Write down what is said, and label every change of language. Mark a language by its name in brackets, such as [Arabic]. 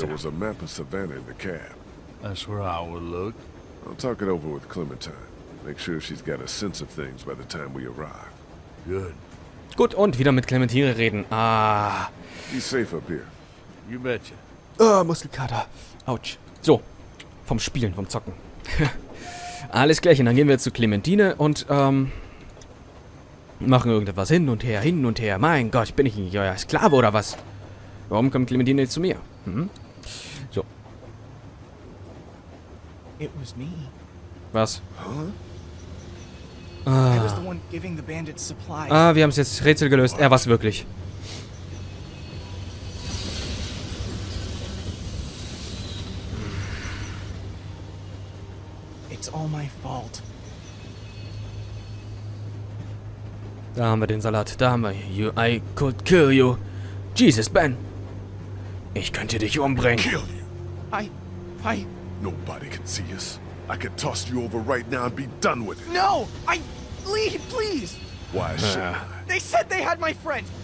[English] There was a map of Savannah in the cab. That's where I would look. I'll talk it over with Clementine. Make sure she's got a sense of things by the time we arrive. Good. [German] Gut, und wieder mit Clementine reden. Ah. [English] Be safe up here. You betcha. [German] Ah, oh, Muskelkater. Autsch. So. Vom Spielen, vom Zocken. Alles gleich, und dann gehen wir zu Clementine und, machen irgendetwas hin und her, hin und her. Mein Gott, bin ich nicht euer Sklave oder was? Warum kommt Clementine zu mir? Hm? So. [English] It was me. [German] Was? Huh? Ah. [English] I was the one giving the bandits supplies. [German] Ah, wir haben es jetzt Rätsel gelöst. Er war es wirklich. [English] It's all my fault. [German] Da haben wir den Salat. Da haben wir [English] you. I could kill you. Jesus, Ben. [German] Ich könnte dich umbringen. [English] Kill you. I. Nobody can see us. I could toss you over right now and be done with it. No! I... Please! Why should I? They said they had my friend!